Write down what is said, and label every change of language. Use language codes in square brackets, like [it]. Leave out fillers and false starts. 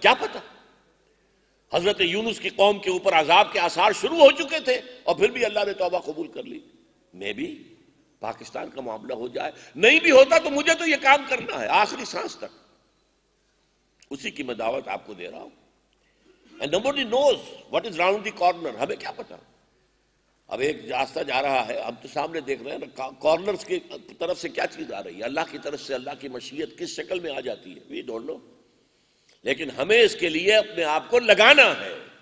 [ur] کیا پتا حضرت یونس کی قوم کے اوپر عذاب کے آثار شروع ہو چکے تھے اور پھر بھی اللہ نے توبہ قبول کر لی. میں بھی پاکستان کا معاملہ ہو جائے، نہیں بھی ہوتا تو مجھے تو یہ کام کرنا ہے آخری سانس تک، اسی کی میں دعوت آپ کو دے رہا ہوں. [en] And nobody knows what is round the corner. [ur] ہمیں کیا پتا، اب ایک راستہ جا رہا ہے، ہم تو سامنے دیکھ رہے ہیں، کارنرز کے طرف سے کیا چیز آ رہی ہے، اللہ کی طرف سے اللہ کی مشیت کس شکل میں آ جاتی ہے، we don't know. لیکن ہمیں اس کے لیے اپنے آپ کو لگانا ہے.